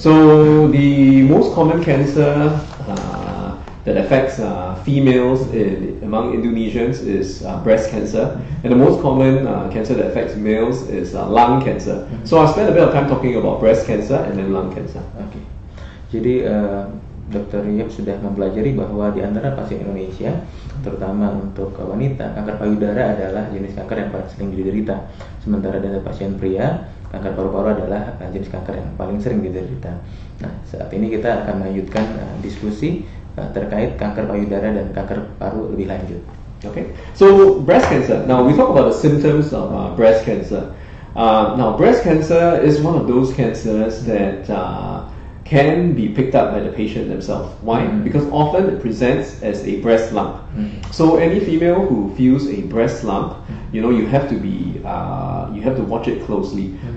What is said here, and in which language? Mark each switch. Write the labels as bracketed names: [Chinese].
[English] So the most common cancer that affects females among Indonesians is breast cancer, and the most common cancer that affects males is lung cancer. Mm-hmm. So I'll spend a bit of time talking about breast cancer and then lung cancer. [Indonesian] Okay. Jadi Dr. Yip sudah mempelajari bahwa di antara pasien Indonesia, terutama untuk wanita, kanker payudara adalah jenis kanker yang paling sering diderita. Sementara dari pasien pria, kanker paru-paru adalah jenis kanker yang paling sering diderita. Nah, saat ini kita akan melanjutkan diskusi terkait kanker payudara dan kanker paru lebih lanjut. [English] Okay. So, breast cancer. Now, we talk about the symptoms of breast cancer. Now, breast cancer is one of those cancers that can be picked up by the patient themselves. Why? Mm-hmm. Because often it presents as a breast lump. Mm-hmm. So any female who feels a breast lump, you know, you have to be, you have to watch it closely. Mm-hmm.